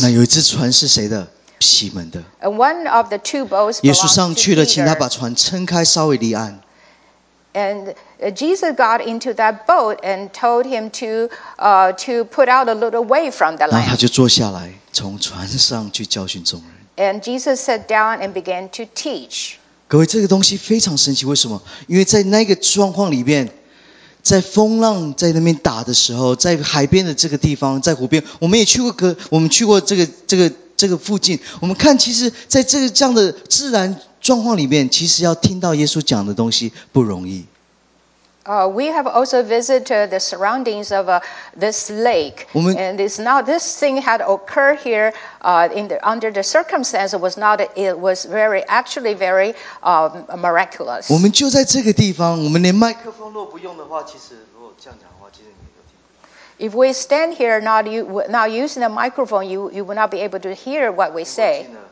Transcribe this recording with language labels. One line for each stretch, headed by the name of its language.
Chinese: 那有一只船是谁的西门的。
English: And one of the two boats.
Chinese: 耶稣上去了，请他把船撑开，稍微离岸。
English: And Jesus got into that boat and told him to put out a little way from the land.
Chinese: 然后他就坐下来，从船上去教训众人。
English: And Jesus sat down and began to teach.
Chinese: 各位，这个东西非常神奇，为什么？因为在那个状况里面，在风浪在那边打的时候，在海边的这个地方，在湖边，我们也去过我们去过这个附近，我们看，其实在这样的自然状况里面，其实要听到耶稣讲的东西不容易。
English: We have also visited the surroundings of this lake, and it's not this thing had occurred here. Under the circumstance, it was very actually very miraculous.
Chinese: 我们就在这个地方，我们连麦克风若不用的话，其实如果这样讲的话，其实你。
English: If we stand here not using the microphone, you will not be able to hear what we say.